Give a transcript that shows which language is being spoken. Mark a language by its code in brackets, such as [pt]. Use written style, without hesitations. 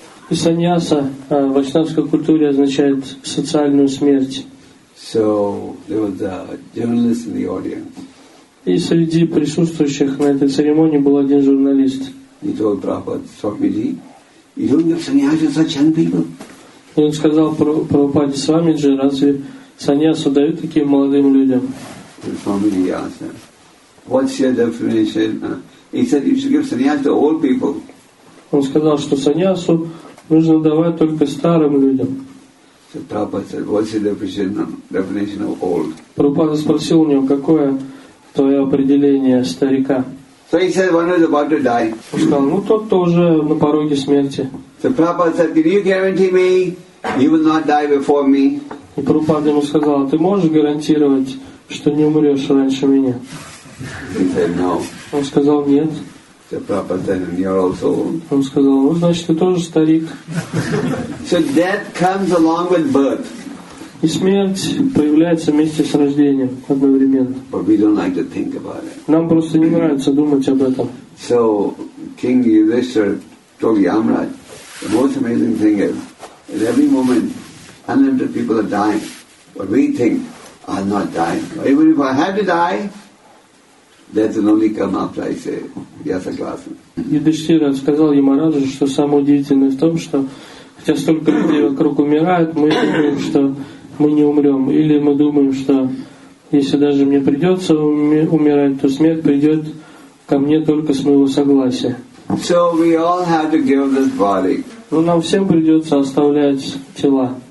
[ru] И саньяса в вайшнавской культуре означает социальную смерть. [en] So, there was a journalist in the audience. [ru] И среди присутствующих на этой церемонии был один журналист. [en] He told Prabhupada, Swamiji, you don't give sannyasa to such young people. [ru] И он сказал Прабхупаде, Свамиджи, разве саньясу дают таким молодым людям? [en] The family asked him, what's your definition? He said, you should give sannyas to old people. [ru] Он сказал, что саньясу нужно давать только старым людям. [en] So Prabhupada said, what's your definition of old? [ru] Прабхупада спросил у него, какое твое определение старика? [en] So he said, one is about to die. [ru] Он сказал, ну тот тоже на пороге смерти. [en] So Prabhupada said, can you guarantee me you will not die before me? [ru] И Прабхупада ему сказал, ты можешь гарантировать, что не умрешь раньше меня? [en] He said, no. [ru] Он сказал, нет. [en] So Prabhupada said, and you're also old. [ru] Он сказал, ну, значит, ты тоже старик. [en] So death comes along with birth. [ru] И смерть появляется вместе с рождением одновременно. [en] But we don't like to think about it. [ru] Нам просто не нравится думать об этом. [en] So King Yudhishthira told Yamraj, the most amazing thing is, at every moment, unlimited people are dying. But we think, I'm not dying. Even if I had to die, death will only come after I say, yes, I'm glad. [ru] Yudhishthira сказал Ямараджу, что самое удивительное в том, что хотя столько людей вокруг умирают, мы думаем, что мы не умрем. Или мы думаем, что если даже мне придется умирать, то смерть придет ко мне только с моего согласия. [en] So we all have to give this body. [ru] Но нам всем придется оставлять тела.